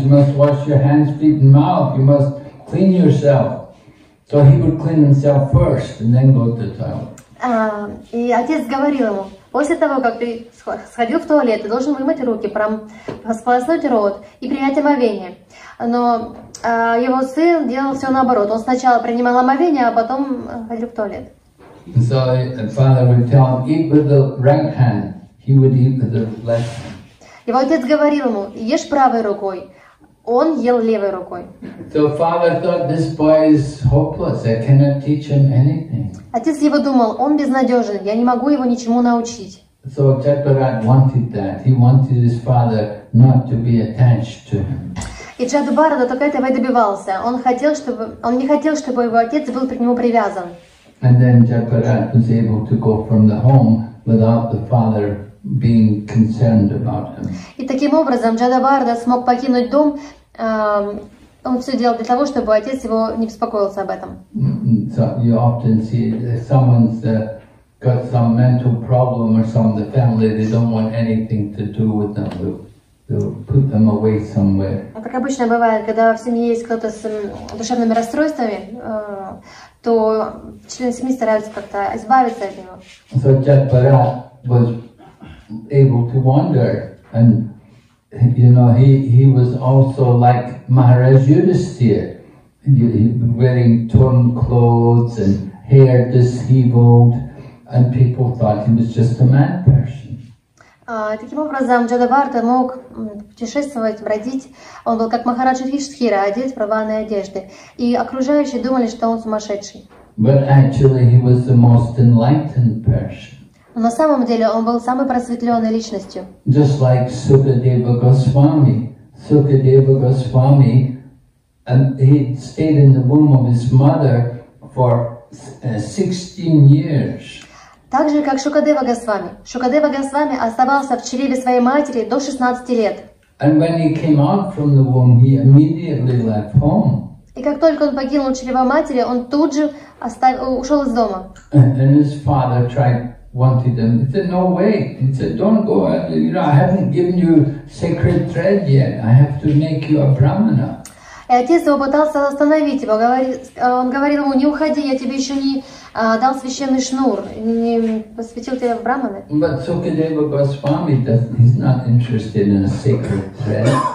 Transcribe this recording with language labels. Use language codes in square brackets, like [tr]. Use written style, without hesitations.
[en] You must wash your hands, feet, and mouth. You must clean yourself. So he would clean himself first, and then go to the toilet. [ru] И отец говорил ему, после того, как ты сходил в туалет, ты должен вымыть руки, сполоснуть рот и принять омовение. Но его сын делал все наоборот. Он сначала принимал омовение, а потом ходил в туалет. [en] So the father would tell him, eat with the right hand. He would eat with the left hand. [ru] Его отец говорил ему, ешь правой рукой, он ел левой рукой. [en] So father thought, this boy is hopeless, I cannot teach him anything. [ru] Отец его думал, он безнадежен, я не могу его ничему научить. [en] So Chaturat wanted that, he wanted his father not to be attached to him. [ru] И Джаду Бхарата только этого и добивался, он не хотел, чтобы его отец был к нему привязан. [en] And then Chaturat was able to go from the home without the father being concerned about him. [ru] И таким образом Джада Бхарата смог покинуть дом. Он все делал для того, чтобы отец его не беспокоился об этом. [en] So you often see if someone's got some mental problem or some of the family, they don't want anything to do with them. They'll put them away somewhere. [ru] Как обычно бывает, когда в семье есть кто-то с душевными расстройствами, то члены семьи стараются как-то избавиться от него. [en] So Chaturat was able to wander, and you know, he was also like Maharaj Yudhisthira, wearing torn clothes and hair disheveled, and people thought he was just a mad person. [ru] Таким образом, Джада Бхарата мог путешествовать, бродить. Он был как Махарадж Юдхиштхира, одет в рваные одежды, и окружающие думали, что он сумасшедший. [en] But actually, he was the most enlightened person. [ru] На самом деле он был самой просветленной личностью. [en] Just like Sukadeva Goswami. Sukadeva Goswami, and he stayed in the womb of his mother for 16 years. [ru] Так же, как Шукадева Госвами. Шукадева Госвами оставался в чреве своей матери до 16 лет. [en] And when he came out from the womb, he immediately left home. [ru] И как только он покинул чрево матери, он тут же ушел из дома. [en] And his father tried wanted him. He said, no way. He said, don't go. You know, I haven't given you sacred thread yet. I have to make you a brahmana. [ru] И отец его пытался остановить его. Он говорил ему, не уходи, я тебе еще не дал священный шнур, не посвятил тебя в брахманы. [en] But Sukadeva Goswami, he's not interested in a sacred thread.